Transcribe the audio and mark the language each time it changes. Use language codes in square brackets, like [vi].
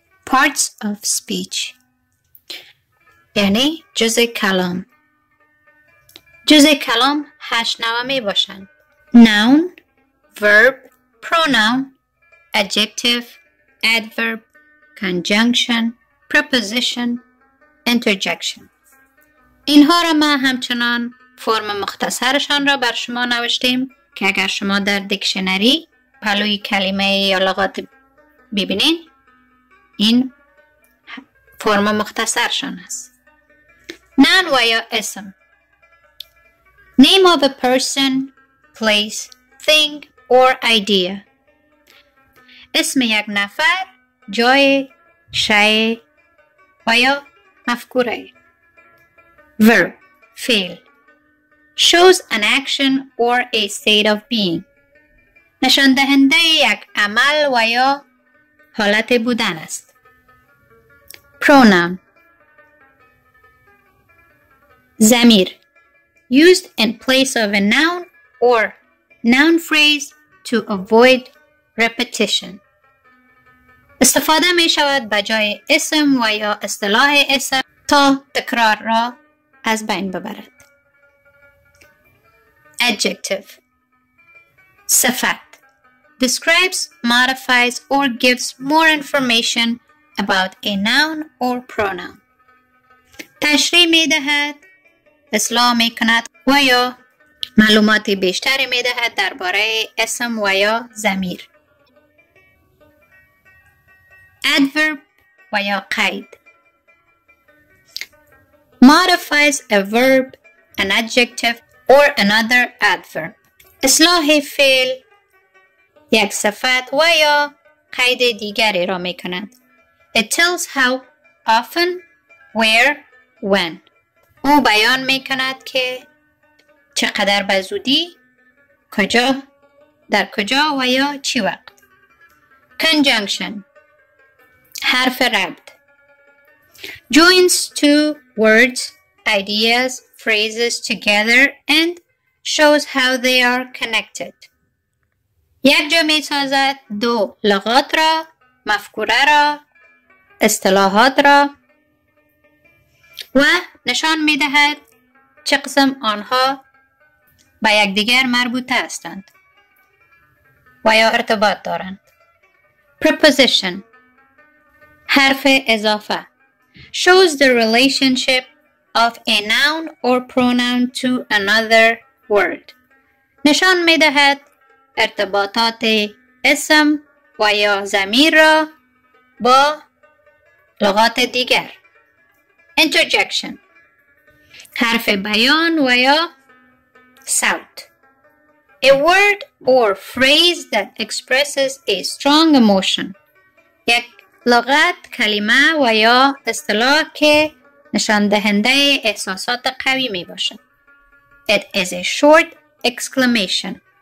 [en] Parts of speech [fa] یعنی جزء کلام. جزء کلام هشت نوع می باشند: [en] noun, verb, pronoun, adjective, adverb, conjunction, preposition, interjection. [fa] اینها را ما همچنان فرم مختصرشان را بر شما نوشتیم که اگر شما در دیکشنری پلوی کلمه یا لغات ببینین، این فرم مختصرشان است. [en] Noun و یا اسم: name of a person, place, thing or idea. [fa] اسم یک نفر، جای، شی و یا مفکوره. [en] Verb فعل: shows an action or a state of being. [fa] نشان دهنده یک عمل و یا حالت بودن است. [en] Pronoun ضمیر: used in place of a noun or noun phrase to avoid repetition. [fa] استفاده می شود بجای اسم و یا اصطلاح اسم تا تکرار را از بین ببرد. [en] Adjective صفت: describes, modifies or gives more information about a noun or pronoun. [fa] تشریح می دهد، اصلاح می کند و یا معلومات بیشتری می دهد درباره اسم و یا ضمیر. [en] Adverb و یا قید: modifies a verb, an adjective or another adverb. [fa] اصلاح فعل یک صفت و یا قید دیگری را می کند. [en] It tells how often, where, when. [fa] او بیان می کند که چقدر به زودی، کجا، در کجا و یا چی وقت. [en] Conjunction حرف ربط: joins two words, ideas, phrases together and shows how they are connected. [fa] یک جا می سازد دو لغات را، مفکوره را، اصطلاحات را و نشان می دهد چه قسم آنها به یک دیگر مربوطه هستند و یا ارتباط دارند. [en] Preposition حرف اضافه: shows the relationship of a noun or pronoun to another word. [fa] نشان می دهد ارتباطات اسم و یا ضمیر را با لغات دیگر. [en] Interjection حرف بیان و یا صوت: a word or phrase that expresses a strong emotion. [fa] یک لغت، کلمه و یا اصطلاح که نشان دهنده احساسات قوی می باشد. [en] It is a short exclamation.